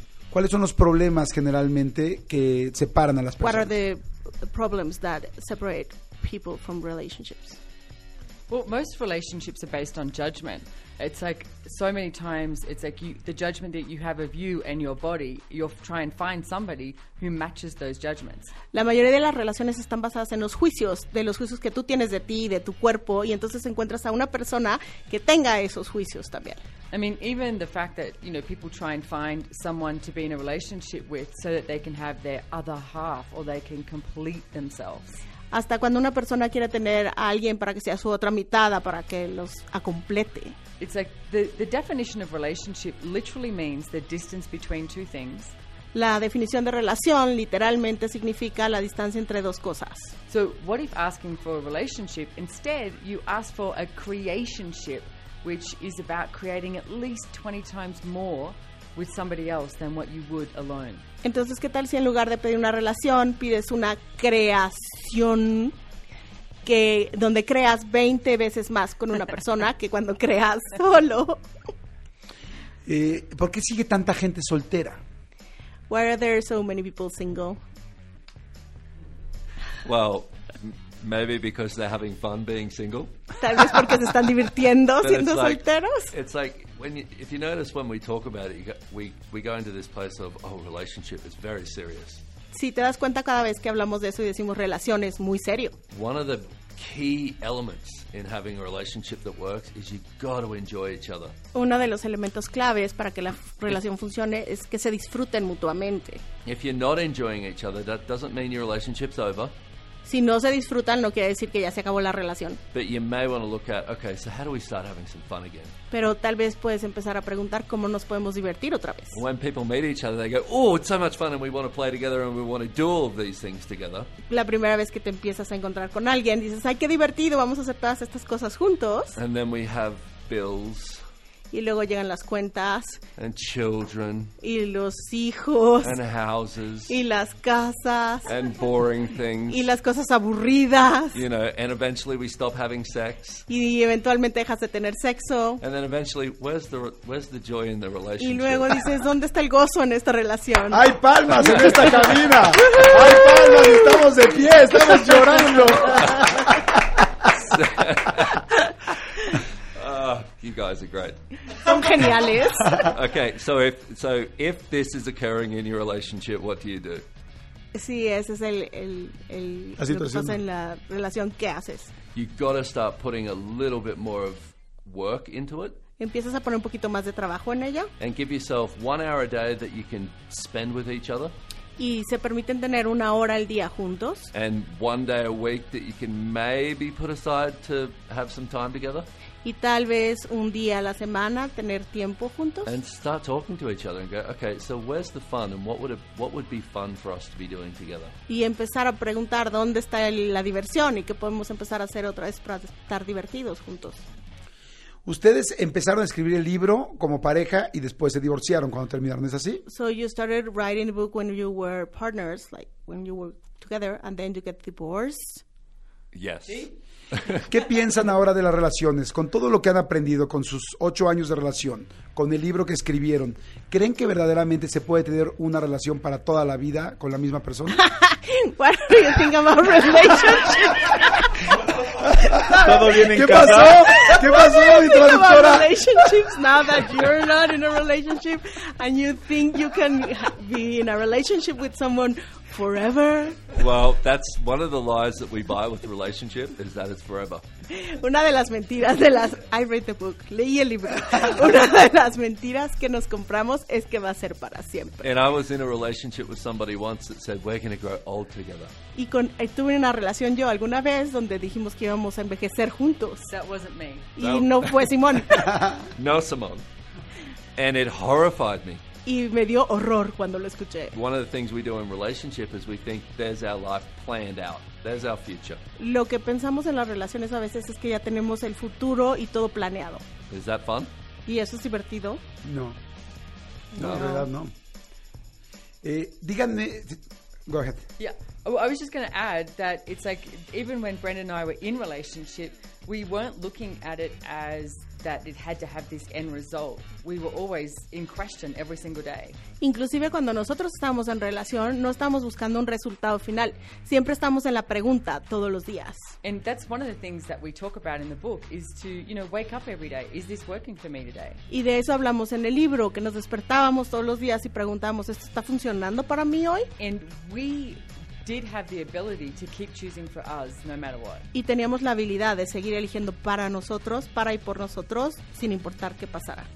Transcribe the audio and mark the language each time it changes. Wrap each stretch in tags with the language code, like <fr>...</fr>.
<es>¿Cuáles son los problemas generalmente que separan a las personas?</es> <en>What are the problems that separate people from relationships? Well, most relationships are based on judgment. It's like so many times it's like the judgment that you have of you and your body, you'll try and find somebody who matches those judgments.</en> <es>La mayoría de las relaciones están basadas en los juicios, de los juicios que tú tienes de ti y de tu cuerpo, y entonces encuentras a una persona que tenga esos juicios también.</es> <en>I mean, even the fact that, you know, people try and find someone to be in a relationship with so that they can have their other half or they can complete themselves.</en> <es>Hasta cuando una persona quiere tener a alguien para que sea su otra mitad, para que los acomplete.</es> <en>It's like the definition of relationship literally means the distance between two things.</en> <es>La definición de relación literalmente significa la distancia entre dos cosas.</es> <en>So what if asking for a relationship, instead you ask for a creationship, which is about creating at least 20 times more with somebody else than what you would alone.</en> <es>Entonces, ¿qué tal si en lugar de pedir una relación pides una creación que donde creas 20 veces más con una persona que cuando creas solo? ¿Por qué sigue tanta gente soltera?</es> <en>Why are there so many people single? Well, maybe because they're having fun being single.</en> <es>Tal vez porque se están divirtiendo siendo solteros.</es> <en>It's like when you, if you notice when we talk about it, we go into this place of, oh, relationship is very serious.</en> <es>Si te das cuenta cada vez que hablamos de eso y decimos relación es muy serio.</es> <en>One of the key elements in having a relationship that works is you got to enjoy each other.</en> <es>Uno de los elementos claves para que la relación funcione es que se disfruten mutuamente.</es> <en>If you're not enjoying each other, that doesn't mean your relationship's over.</en> <es>Si no se disfrutan, no quiere decir que ya se acabó la relación.</es> <en>But you may want to look at, okay, so how do we start having some fun again?</en> <es>Pero tal vez puedes empezar a preguntar cómo nos podemos divertir otra vez.</es> <en>When people meet each other, they go, oh, it's so much fun and we want to play together and we want to do all of these things together.</en> <es>La primera vez que te empiezas a encontrar con alguien, dices, ay, qué divertido, vamos a hacer todas estas cosas juntos.</es> <en>And then we have bills.</en> <es>Y luego llegan las cuentas.</es> <en>And children.</en> <es>Y los hijos.</es> <en>And houses.</en> <es>Y las casas.</es> <en>And boring things.</en> <es>Y las cosas aburridas.</es> <en>You know, and eventually we stop having sex.</en> <es>Y eventualmente dejas de tener sexo.</es> <en>And then eventually, where's the joy in the relationship?</en> <es>Y luego dices, ¿dónde está el gozo en esta relación? ¡Hay palmas en esta cabina! ¡Hay palmas! ¡Estamos de pie! ¡Estamos llorando!</es> <en>You guys are great.</en> <es>Son geniales.</es> <en>Okay, so if this is occurring in your relationship, what do you do?</en> <es>Sí, ese es el lo que pasa en la relación, ¿qué haces?</es> <en>You got to start putting a little bit more of work into it.</en> <es>Empiezas a poner un poquito más de trabajo en ella.</es> <en>And give yourself 1 hour a day that you can spend with each other.</en> <es>Y se permiten tener una hora al día juntos.</es> <en>And 1 day a week that you can maybe put aside to have some time together.</en> <es>Y tal vez un día a la semana tener tiempo juntos.</es> <en>And start talking to each other and go, okay, so where's the fun and what would be fun for us to be doing together?</en> <es>Y empezar a preguntar dónde está la diversión y qué podemos empezar a hacer otra vez para estar divertidos juntos. Ustedes empezaron a escribir el libro como pareja y después se divorciaron cuando terminaron, ¿es así?</es> <en>So you started writing the book when you were partners, like when you were together, and then you get divorced. Yes. ¿Sí?</en> <es>¿Qué piensan ahora de las relaciones? Con todo lo que han aprendido, con sus 8 años de relación, con el libro que escribieron, ¿creen que verdaderamente se puede tener una relación para toda la vida con la misma persona?</es> <en>What do you think about relationships?</en> <es>¿Todo bien en ¿Qué casa? Pasó? ¿Qué pasó, mi traductora?</es> <en>What do you think about relationships now that you're not in a relationship and you think you can be in a relationship with someone forever. Well, that's one of the lies that we buy with relationship is that it's forever.</en> <es>Una de las mentiras de las...</es> <en>I read the book.</en> <es>Leí el libro. Una de las mentiras que nos compramos es que va a ser para siempre.</es> <en>And I was in a relationship with somebody once that said, we're going to grow old together.</en> <es>Y con, tuve una relación yo alguna vez donde dijimos que íbamos a envejecer juntos.</es> <en>That wasn't me.</en> <es>Y no, no fue Simón.</es> <en>No, Simón. And it horrified me.</en> <es>Y me dio horror cuando lo escuché.</es> <en>One of the things we do in relationship is we think there's our life planned out. There's our future.</en> <es>Lo que pensamos en las relaciones a veces es que ya tenemos el futuro y todo planeado.</es> <en>Is that fun?</en> <es>¿Y eso es divertido? No. No, no. La verdad no. Díganme...</es> <en>Go ahead. Yeah. Well, I was just going to add that it's like even when Brendan and I were in relationship, we weren't looking at it as that it had to have this end result. We were always in question every single day.</en> <es>Inclusive cuando nosotros estábamos en relación, no estábamos buscando un resultado final. Siempre estamos en la pregunta todos los días.</es> <en>And that's one of the things that we talk about in the book is to, you know, wake up every day. Is this working for me today?</en> <es>Y de eso hablamos en el libro, que nos despertábamos todos los días y preguntábamos, ¿esto está funcionando para mí hoy?</es> <en>And we did have the ability to keep choosing for us no matter what.</en> <es>Y teníamos la habilidad de seguir eligiendo para nosotros, para y por nosotros, sin importar qué pasara.</es>